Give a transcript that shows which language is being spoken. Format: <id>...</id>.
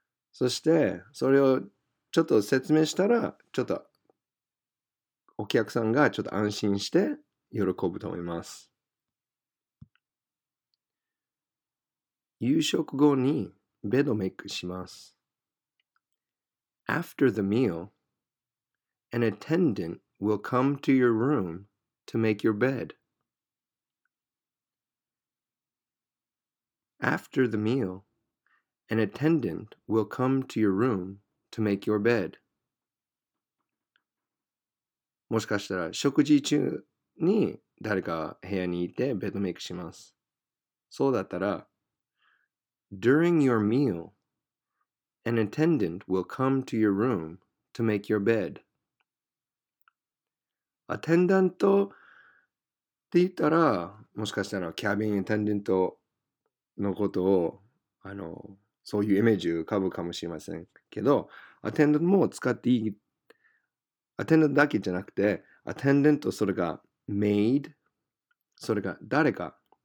<ja>そしてそれをちょっと説明したら、ちょっとお客さんがちょっと安心して喜ぶと思います。夕食後にベッドメイクします。</ja> <en>After the meal, an attendant will come to your room to make your bed. After the meal, an attendant will come to your room to make your bed.</en> <ja>もしかしたら食事中に誰か部屋にいてベッドメイクします。そうだったら</ja> <en>During your meal, an attendant will come to your room to make your bed.</en> <ja>アテンダントって言ったら、もしかしたらキャビンアテンダントのことを、そういうイメージを浮かぶかもしれませんけど、アテンダントも使っていい。アテンダントだけじゃなくて、アテンダント、それが maid、それが誰か、</ja>